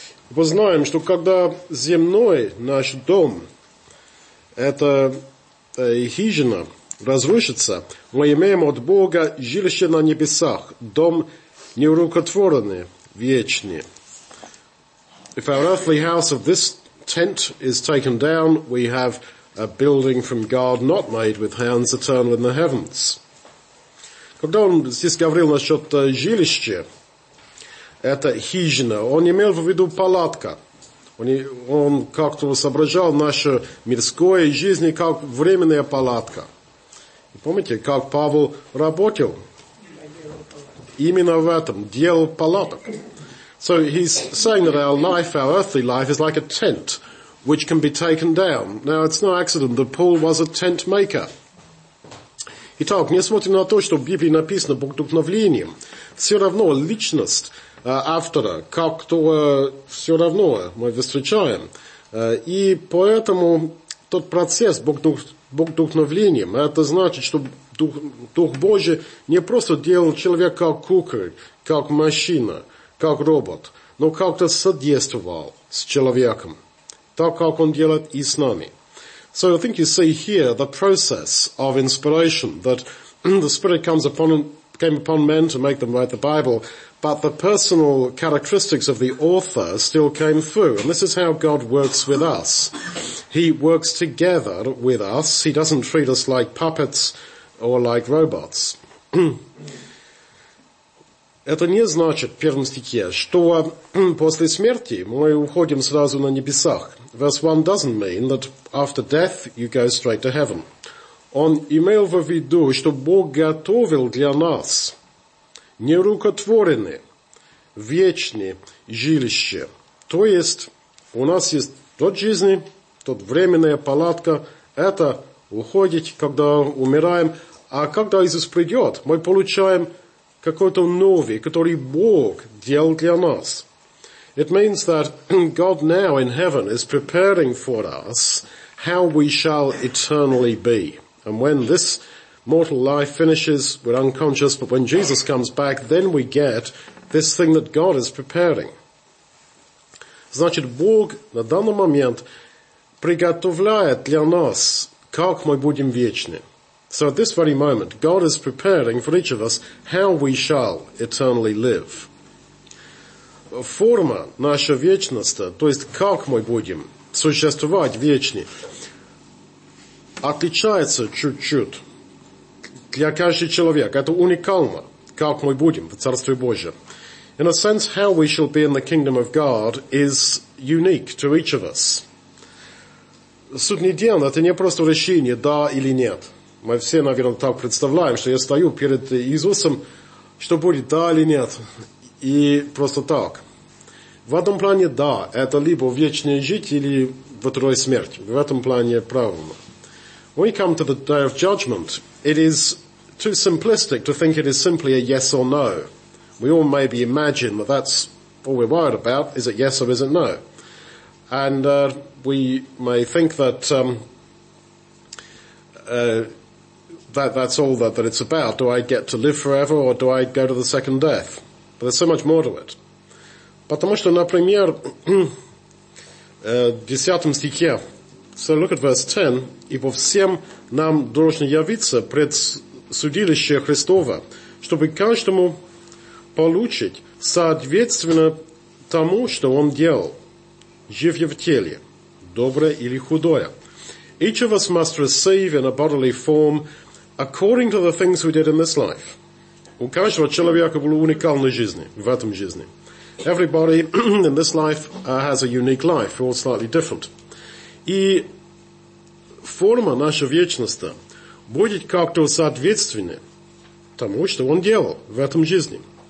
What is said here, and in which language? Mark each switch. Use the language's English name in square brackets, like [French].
[Russian] Мы знаем, что когда земной наш дом, это хижина, разрушится, мы имеем от Бога жилище на небесах, дом нерукотворенный, вечный. [English] If our earthly house of this tent is taken down, we have a building from God, not made with hands, eternal in the heavens. [Russian] Когда он здесь говорил насчет жилища, это хижина, он имел в виду палатка. Он как-то соображал наше мирское жизнь как временная палатка. И помните, как Павел работал? Именно в этом, делал палаток. [English] So he's saying that our life, our earthly life, is like a tent, which can be taken down. Now, it's no accident that Paul was a tent maker. [Russian] Итак, несмотря на то, что в Библии написано Бог вдохновлением, все равно личность автора как-то все равно мы встречаем. И поэтому тот процесс Бог вдохновлением, это значит, что Дух Божий не просто делал человека как кукла, как машина, как робот, но как-то содействовал с человеком, так как он делает и с нами. [English] So I think you see here the process of inspiration, that the Spirit came upon men to make them write the Bible, but the personal characteristics of the author still came through. And this is how God works with us. He works together with us. He doesn't treat us like puppets or like robots. [Russian] Это не значит, в первом стихе, что после смерти мы уходим сразу на небесах. [English] Verse 1 doesn't mean that after death you go straight to heaven. [Russian] Он имел в виду, что Бог готовил для нас нерукотворенное, вечное жилище. То есть у нас есть тот жизнь, тот временная палатка, это уходить, когда умираем. А когда Иисус придет, мы получаем какой-то новый, который Бог делал для нас. [English] It means that God now in heaven is preparing for us how we shall eternally be. And when this mortal life finishes, we're unconscious, but when Jesus comes back, then we get this thing that God is preparing. [Russian] Значит, Бог на данный момент приготовляет для нас, как мы будем вечны. [English] So at this very moment, God is preparing for each of us how we shall eternally live. [Russian] Форма наша вечности, то есть как мы будем существовать вечно, отличается чуть-чуть для каждого человека. Это уникально, как мы будем в Царстве Божьем. [English] In a sense, how we shall be in the kingdom of God is unique to each of us. [Russian] Суть недельна, это не просто решение, да или нет. Мы все, наверное, так представляем, что я стою перед Иисусом, что будет, да или нет. И просто так. В этом плане, да, это либо вечное жить, или вторая смерть. В этом плане правильно. [English] When we come to the day of judgment, it is too simplistic to think it is simply a yes or no. We all maybe imagine that that's all we're worried about, is it yes or is it no? And we may think that that's all that it's about. Do I get to live forever or do I go to the second death? But there's so much more to it. [Russian] Потому что, например, в 10 стихе, [English] so look at verse 10, [Russian] ибо всем нам должно явиться пред судилище Христово, чтобы каждому получить соответственно тому, что он делал, живя в теле, доброе или худое. [English] Each of us must receive in a bodily form according to the things we did in this life. [Russian] У каждого человека была уникальная жизнь в этом жизни. [English] Everybody in this life has a unique life, all slightly different. [Russian] И форма нашей вечности будет как-то соответственна тому, что он делал в этом жизни.